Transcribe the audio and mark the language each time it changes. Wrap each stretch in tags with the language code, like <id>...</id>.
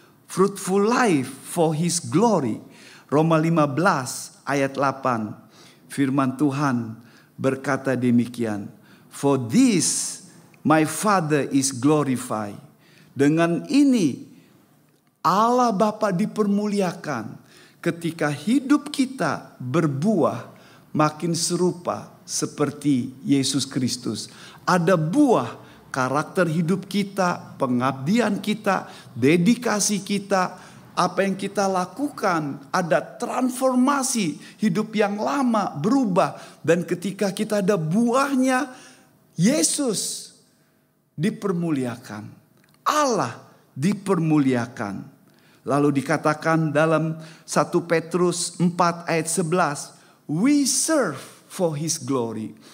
<en>Fruitful life for his glory.</en> <id>Roma 15 ayat 8. Firman Tuhan berkata demikian.</id> <en>For this my Father is glorified.</en> <id>Dengan ini Allah Bapa dipermuliakan. Ketika hidup kita berbuah makin serupa seperti Yesus Kristus. Ada buah karakter hidup kita, pengabdian kita, dedikasi kita, apa yang kita lakukan, ada transformasi hidup yang lama berubah. Dan ketika kita ada buahnya, Yesus dipermuliakan. Allah dipermuliakan. Lalu dikatakan dalam 1 Petrus 4 ayat 11,</id> <en>we serve for his glory.</en>